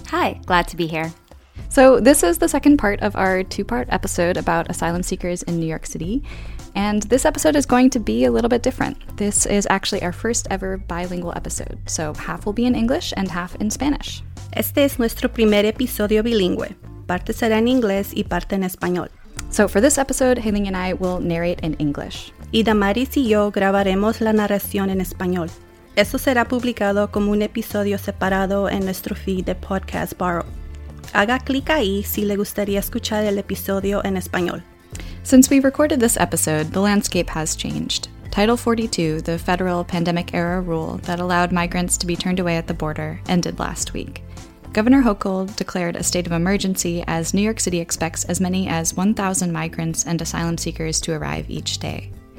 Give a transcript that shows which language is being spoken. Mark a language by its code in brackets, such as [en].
[en] Hi, glad to be here. So this is the second part of our two-part episode about asylum seekers in New York City. And this episode is going to be a little bit different. This is actually our first ever bilingual episode. So half will be in English and half in Spanish. [es] Este es nuestro primer episodio bilingüe. Parte será en inglés y parte en español. [en] So for this episode, Hailing and I will narrate in English. [es] Y Damaris y yo grabaremos la narración en español. Eso será publicado como un episodio separado en nuestro feed de podcast Borrow. Haga clic ahí si le gustaría escuchar el episodio en español. [en] Since we recorded this episode, the landscape has changed. Title 42, the federal pandemic-era rule that allowed migrants to be turned away at the border, ended last week. Governor Hochul declared a state of emergency as New York City expects as many as 1,000 migrants and asylum seekers to arrive each day.